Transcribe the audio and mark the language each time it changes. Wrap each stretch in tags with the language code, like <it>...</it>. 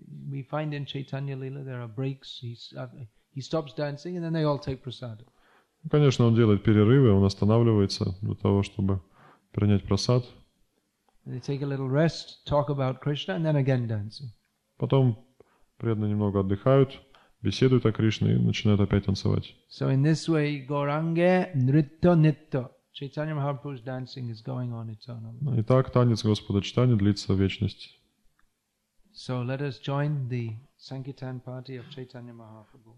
<en>We find in Chaitanya Lila there are breaks. He stops dancing, and then they all take prasad.</en> <ru>Конечно, он делает перерывы. Он останавливается для того, чтобы принять прасад.</ru> <en>They take a little rest, talk about Krishna, and then again dancing.</en> <ru>Потом преданные немного отдыхают, беседуют о Кришне и начинают опять танцевать.</ru> <en>So in this way, Goranga Nritto Nitto. Chaitanya Mahaprabhu's dancing is going on eternally.</en> <ru>Итак, танец Господа Чайтаньи длится вечность.</ru> <en>So let us join the Sankirtan party of Chaitanya Mahaprabhu.</en>